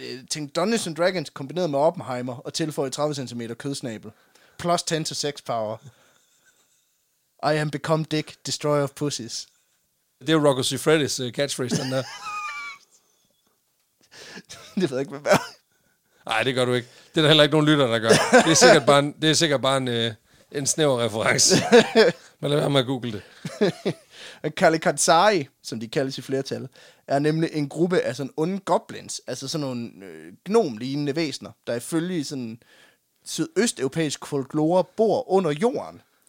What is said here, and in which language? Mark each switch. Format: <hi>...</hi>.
<da>Tænk Dungeons & Dragons kombineret med Oppenheimer og tilføjet 30 cm kødsnabel.</da> <en>Plus 10 to 6 power. I am become dick, destroyer of pussies.</en> <da>Det er Rocco Siffredis catchphrase, den der. Det ved jeg ikke, hvad det er. Ej, det gør du ikke. Det er der heller ikke nogen lytter, der gør. Det er sikkert bare en snæver reference. Men lad være med at google det. Kalikatsari, som de kaldes i flertal, er nemlig en gruppe af sådan onde goblins, altså sådan nogle gnom-lignende væsener, der ifølge sådan sydøsteuropæisk folklore bor under jorden.</da>